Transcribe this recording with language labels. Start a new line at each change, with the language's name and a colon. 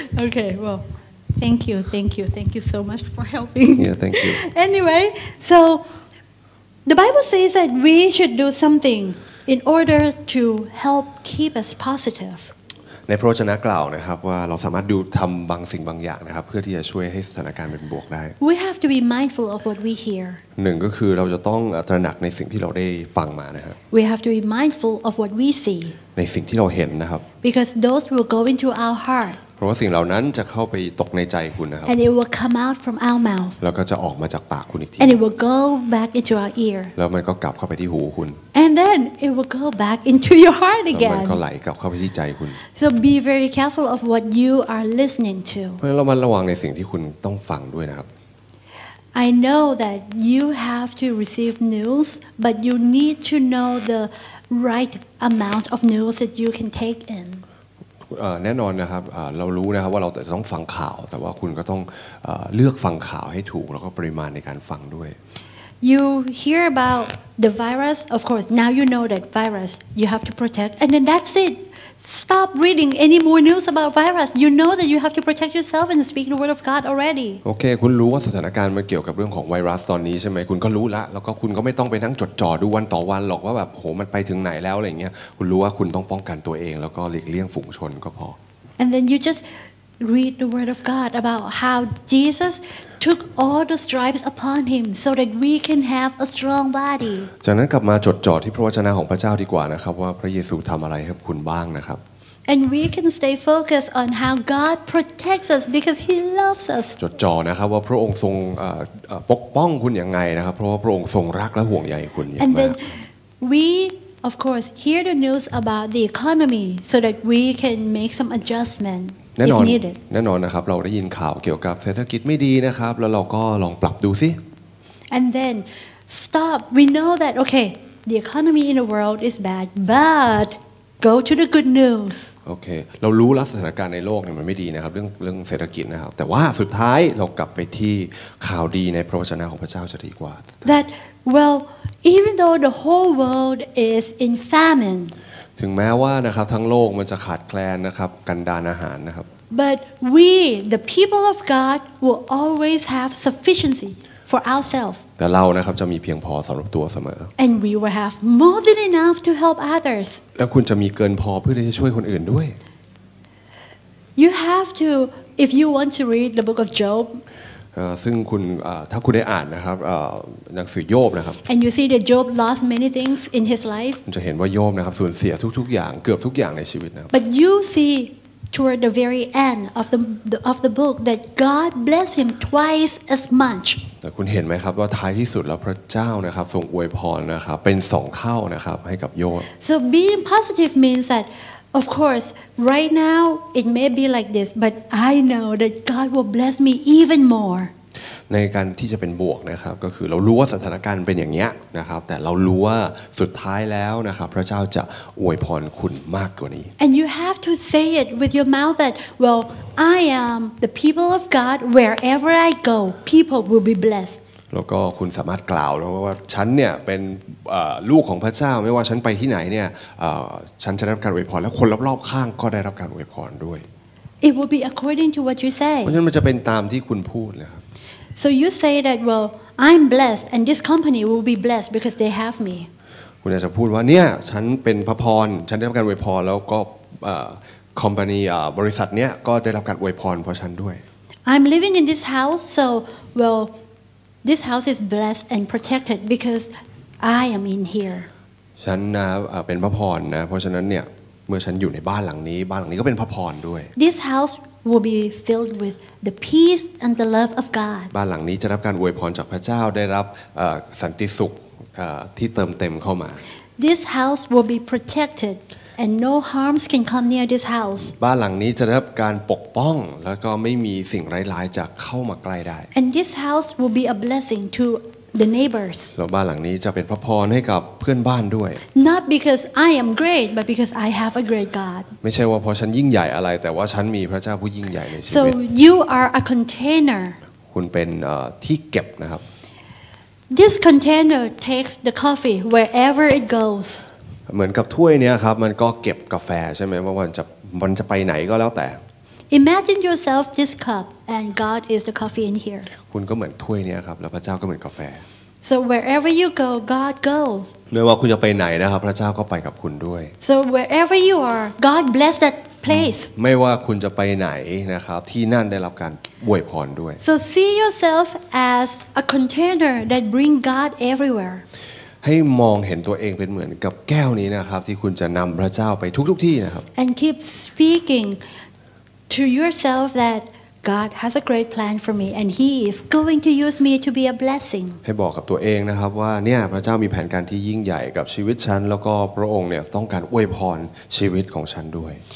English: โอเค well thank you so much for helping yeah thank you anyway so the Bible says that we should do something in order to help keep us positive
Thai: ในพระวจนะกล่าวนะครับว่าเราสามารถดูทำบางสิ่งบางอย่างนะครับเพื่อที่จะช่วยให้สถานการณ์เป็นบวกได้
English: we have to be mindful of what we hear
Thai: หนึ่งก็คือเราจะต้องตระหนักในสิ่งที่เราได้ฟังมานะครับ
English: we have to be mindful of what we see
Thai: ในสิ่งที่เราเห็นนะครับ
English: because those will go into our heart
Thai: เพราะว่าสิ่งเหล่านั้นจะเข้าไปตกในใจคุณนะครับ
English: and it will come out from our mouth
Thai: แล้วก็จะออกมาจากปากคุณอีกที
English: and it will go back into our ear
Thai: แล้วมันก็กลับเข้าไปที่หูคุณ
English: and then it will go back into your heart again
Thai: แล้วมันก็ไหลกลับเข้าไปที่ใจคุณ
English: so be very careful of what you are listening to
Thai: เพราะเรามาระวังในสิ่งที่คุณต้องฟังด้วยนะครับ
English: I know that you have to receive news, but you need to know the right amount of news that you can take in.
Thai: แน่นอนนะครับเรารู้นะครับว่าเราจะต้องฟังข่าวแต่ว่าคุณก็ต้องเลือกฟังข่าวให้ถูกแล้วก็ปริมาณในการฟังด้วย
English: You hear about the virus, of course, now you know that virus, you have to protect, and then that's it. Stop reading any more news about virus. You know that you have to protect yourself and speak the word of God already.
Thai: Okay, คุณรู้ว่าสถานการณ์มันเกี่ยวกับเรื่องของไวรัสตอนนี้ใช่ไหมคุณก็รู้ละแล้วก็คุณก็ไม่ต้องไปนั่งจดจ่อดูวันต่อวันหรอกว่าแบบโหมันไปถึงไหนแล้วอะไรเงี้ยคุณรู้ว่าคุณต้องป้องกันตัวเองแล้วก็หลีกเลี่ยงฝูงชนก็พอ
English: And then you just read the word of God about how Jesus took all the stripes upon him so that we can have a strong body.
Thai: จากนั้นกลับมาจดจ่อที่พระวจนะของพระเจ้าดีกว่านะครับว่าพระเยซูทำอะไรให้คุณบ้างนะครับ
English: And we can stay focused on how God protects us because he loves us.
Thai: จดจ่อนะครับว่าพระองค์ทรงปกป้องคุณยังไงนะครับเพราะว่าพระองค์ทรงรักและห่วงใยคุณอย่างมาก
English: And then we of course hear the news about the economy so that we can make some adjustment
Thai: แน่นอนแน่นอนนะครับเราได้ยินข่าวเกี่ยวกับเศรษฐกิจไม่ดีนะครับแล้วเราก็ลองปรับดูสิ
English: And then stop we know that okay the economy in the world is bad but go to the good news
Thai: okay เรารู้แล้วสถานการณ์ในโลกเนี่ยมันไม่ดีนะครับเรื่องเศรษฐกิจนะครับแต่ว่าสุดท้ายเรากลับไปที่ข่าวดีในพระวจนะของพระเจ้าจะดีกว่า
English: That well even though the whole world is in famine
Thai: ถึงแม้ว่านะครับทั้งโลกมันจะขาดแคลนนะครับกันดารอาหารนะครับ
English: But we the people of God will always have sufficiency for ourselves
Thai: แต่เรานะครับจะมีเพียงพอสำหรับตัวเสมอ
English: And we will have more than enough to help others
Thai: แล้วคุณจะมีเกินพอเพื่อที่จะช่วยคนอื่นด้วย
English: You have to if you want to read the book of Job
Thai: ซึ่งคุณถ้าคุณได้อ่านนะครับหนังสือโยบนะครับ
English: And you see that Job lost many things in his life
Thai: คุณจะเห็นว่าโยบนะครับสูญเสียทุกอย่างเกือบทุกอย่างในชีวิตนะครับ
English: But you see toward the very end of the book that God blessed him twice as much
Thai: แต่คุณเห็นไหมครับว่าท้ายที่สุดแล้วพระเจ้านะครับทรงอวยพรนะครับเป็น2เท่านะครับให้กับโยบ
English: So being positive means thatOf course, right now it may be like this, but I know that God will bless me even more.
Thai: ในการที่จะเป็นบวกนะครับก็คือเรารู้ว่าสถานการณ์เป็นอย่างเนี้ยนะครับแต่เรารู้ว่าสุดท้ายแล้วนะครับพระเจ้าจะอวยพรคุณมากกว่านี้
English: And you have to say it with your mouth that, well, I am the people of God. Wherever I go, people will be blessed.
Thai: แล้วก็คุณสามารถกล่าวแล้วว่าฉันเนี่ยเป็นลูกของพระเจ้าไม่ว่าฉันไปที่ไหนเนี่ยฉันจะได้รับการอวยพรและคนรอบๆข้างก็ได้รับการอวยพรด้วย
English: It will be according to what you say
Thai: เพราะฉันมันจะเป็นตามที่คุณพูดนะครับ
English: So you say that well I'm blessed and this company will be blessed because they have me
Thai: คุณอาจจะพูดว่าเนี่ยฉันเป็นพระพรฉันได้รับการอวยพรแล้วก็ company บริษัทเนี้ยก็ได้รับการอวยพรเพราะฉันด้วย
English: I'm living in this house so well this house is blessed and protected because I am in here
Thai: ฉันนะเป็นพระพรนะเพราะฉะนั้นเนี่ยเมื่อฉันอยู่ในบ้านหลังนี้บ้านหลังนี้ก็เป็นพระพรด้วย
English: This house will be filled with the peace and the love of God
Thai: บ้านหลังนี้จะรับการอวยพรจากพระเจ้าได้รับสันติสุขที่เติมเต็มเข้ามา
English: This house will be protected and no harms can come near this house
Thai: บ้านหลังนี้จะได้รับการปกป้องแล้วก็ไม่มีสิ่งร้ายๆจะเข้ามาใกล้ได้
English: And this house will be a blessing to the neighbors
Thai: แล้วบ้านหลังนี้จะเป็นพระพรให้กับเพื่อนบ้านด้วย
English: Not because I am great but because I have a great God
Thai: ไม่ใช่ว่าเพราะฉันยิ่งใหญ่อะไรแต่ว่าฉันมีพระเจ้าผู้ยิ่งใหญ่ในชีวิต
English: So you are a container
Thai: คุณเป็นที่เก็บนะครับ
English: This container takes the coffee wherever it goes.
Thai: เหมือนกับถ้วยเนี้ยครับมันก็เก็บกาแฟใช่ไหมว่ามันจะไปไหนก็แล้วแต่
English: Imagine yourself this cup and God is the coffee in here.
Thai: คุณก็เหมือนถ้วยเนี้ยครับแล้วพระเจ้าก็เหมือนกาแฟ
English: So wherever you go, God goes.
Thai: ไม่ว่าคุณจะไปไหนนะครับพระเจ้าก็ไปกับคุณด้วย
English: So wherever you are, God bless that place.
Thai: ไม่ว่าคุณจะไปไหนนะครับที่นั่นได้รับการอวยพรด้วย
English: So see yourself as a container that bring God everywhere.
Thai: ให้มองเห็นตัวเองเป็นเหมือนกับแก้วนี้นะครับที่คุณจะนำพระเจ้าไปทุกที่นะครับ
English: And keep speaking to yourself thatGod has a great plan for me and he is going to use me to be a blessing
Thai: ให้บอกกับตัวเองนะครับว่าเนี่ยพระเจ้ามีแผนการที่ยิ่งใหญ่กับชีวิตฉันแล้วก็พระองค์เนี่ยต้องการอวยพรชีวิตของฉันด้วย